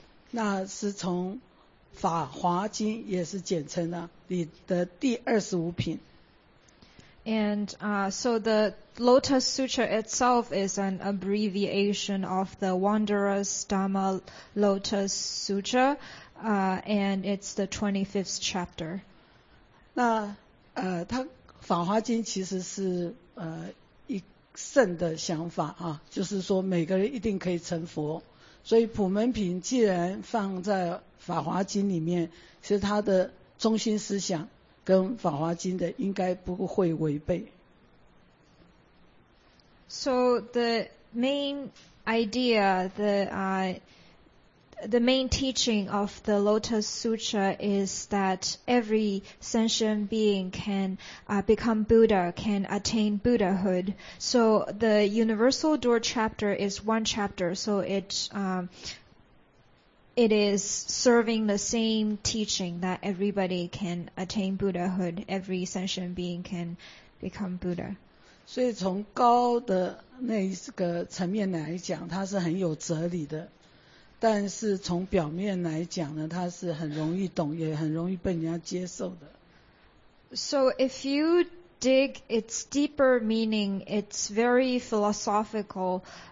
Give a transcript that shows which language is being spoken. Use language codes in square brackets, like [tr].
[zh] 那是从法华经也是简称的你的第25品。 [en] And so the Lotus Sutra itself is an abbreviation of the Wanderer's Dhamma Lotus Sutra, and it's the 25th chapter. [zh] 那它法华经其实是一圣的想法啊，就是说每个人一定可以成佛，所以普门品既然放在法华经里面，其实它的中心思想跟法华经的应该不会违背。 [en] So the main idea, the main teaching of the Lotus Sutra is that every sentient being can become Buddha, can attain Buddhahood. So the Universal Door Chapter is one chapter, so it is serving the same teaching that everybody can attain Buddhahood, every sentient being can become Buddha. [zh] 所以从高的那个层面来讲，它是很有哲理的，但是从表面来讲呢，它是很容易懂，也很容易被人家接受的。 [en] So if you dig its deeper meaning, it's very philosophical.